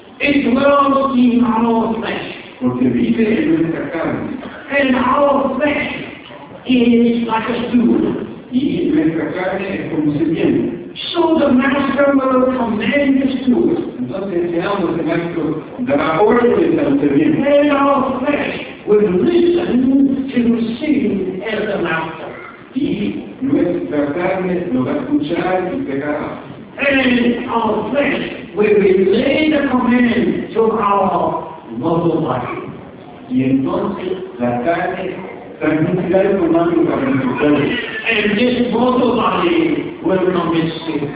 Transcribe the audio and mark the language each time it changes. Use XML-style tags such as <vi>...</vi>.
<en>it dwells in our flesh,</en> <es>porque vive en nuestra carne.</es> <en>And our flesh is like a steward.</en> <es>Y nuestra carne es como un sirviente.</es> <en>So the master will command the steward.</en> <es>Entonces enseñamos al maestro dará órdenes al sirviente.</es> <en>And our flesh will listen to the sin as the master.</en> <es>Y nuestra carne lo va a escuchar y pegará.</es> <en>And our flesh will relay the command to our mortal body.</en> <es>Y entonces la carne transmitirá el comando para nuestro cuerpo.</es> <en>And this mortal body will not miss it.</en>